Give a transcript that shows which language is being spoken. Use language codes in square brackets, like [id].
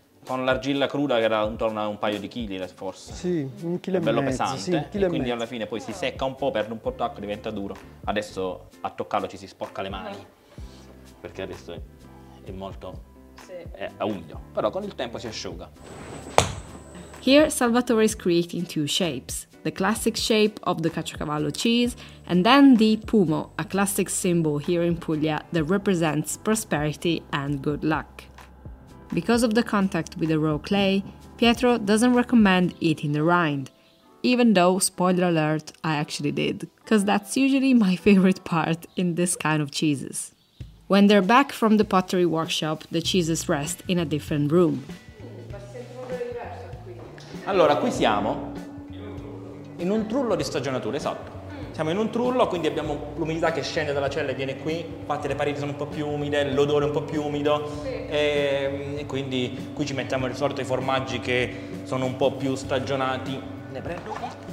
[it] Con l'argilla cruda che era intorno a un paio di chili forse. Sì, 1,5 kg. È bello pesante. Sì, un chilo e quindi alla fine poi si secca un po', perde un po' d'acqua, diventa duro. Adesso a toccarlo ci si sporca le mani. Perché adesso è molto. Sì. È umido. Però con il tempo si asciuga. [en] Here, Salvatore is creating two shapes, the classic shape of the caciocavallo cheese and then the pumo, a classic symbol here in Puglia that represents prosperity and good luck. Because of the contact with the raw clay, Pietro doesn't recommend eating the rind, even though, spoiler alert, I actually did, because that's usually my favorite part in this kind of cheeses. When they're back from the pottery workshop, the cheeses rest in a different room. [it] Allora, qui siamo in un trullo di stagionatura, esatto. Siamo in un trullo, quindi abbiamo l'umidità che scende dalla cella e viene qui. Infatti le pareti sono un po' più umide, l'odore è un po' più umido. E quindi qui ci mettiamo di solito i formaggi che sono un po' più stagionati. Ne prendo uno.